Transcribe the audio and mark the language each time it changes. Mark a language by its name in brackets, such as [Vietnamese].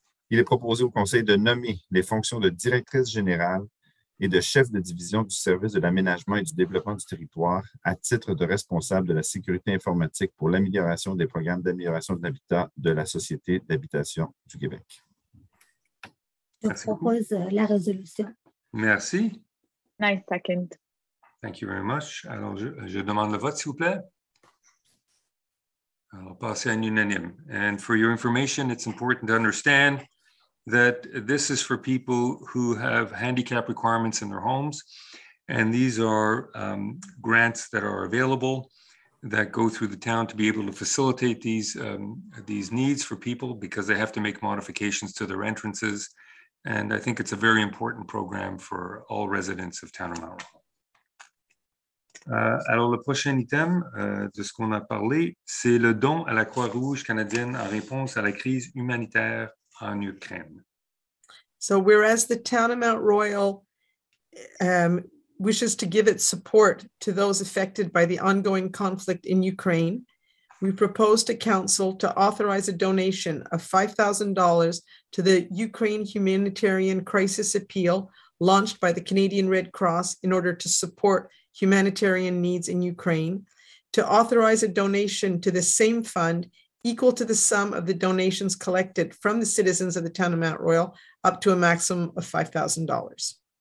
[French] Il est proposé au Conseil de nommer les fonctions de directrice générale et de chef de division du service de l'aménagement et du développement du territoire à titre de responsable de la sécurité informatique pour l'amélioration des programmes d'amélioration de l'habitat de la Société d'habitation du Québec. Je propose la résolution. Merci. [English] Nice second. Thank you very much. [French] Alors, je demande le vote, s'il vous plaît. Alors, passez en unanime. [English] And for your information, it's important to understand that this is for people who have handicap requirements in their homes. And these are grants that are available that go through the town to be able to facilitate these needs for people because they have to make modifications to their entrances. And I think it's a very important program for all residents of Town of Mount Royal. [French] Alors, le prochain item de ce qu'on a parlé, c'est le don à la Croix-Rouge canadienne en réponse à la crise humanitaire en Ukraine. [English] So, whereas the Town of Mount Royal wishes to give its support to those affected by the ongoing conflict in Ukraine, we propose to Council to authorize a donation of $5,000 to the Ukraine Humanitarian Crisis Appeal launched by the Canadian Red Cross in order to support humanitarian needs in Ukraine, to authorize a donation to the same fund equal to the sum of the donations collected from the citizens of the Town of Mount Royal up to a maximum of $5,000.